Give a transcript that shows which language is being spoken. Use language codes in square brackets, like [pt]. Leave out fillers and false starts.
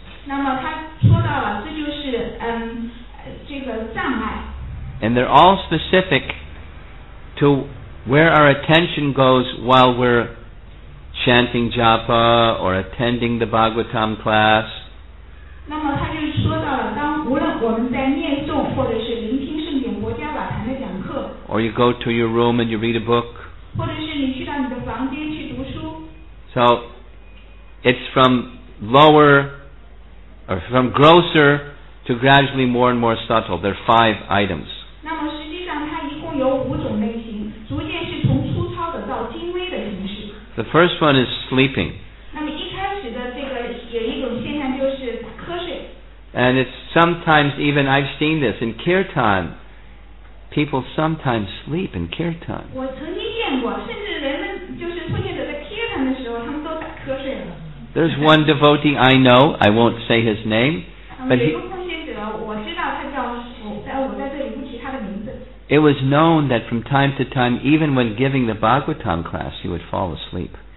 [zh] 那么他说到了，这就是这个障碍。 [en] And they're all specific to where our attention goes while we're chanting japa or attending the Bhagavatam class. [zh] 那么他就说到了，当无论我们在念诵或者是聆听圣典国家瓦坛的讲课。 [en] Or you go to your room and you read a book. [zh] 或者是你去到你的房间去读书。 [en] So. It's from lower, or from grosser, to gradually more and more subtle. There are five items. [zh] 那么实际上它一共有五种类型，逐渐是从粗糙的到精微的形式。 [en] The first one is sleeping. [zh] 那么一开始的这个有一种现象就是瞌睡。 [en] And it's sometimes even I've seen this in kirtan. People sometimes sleep in kirtan. [zh] 我曾经见过，甚至人们就是出现者在kirtan的时候，他们都打瞌睡了。 [en] There's one devotee I know, I won't say his name, but it was known that from time to time, even when giving the Bhagavatam class, he would fall asleep.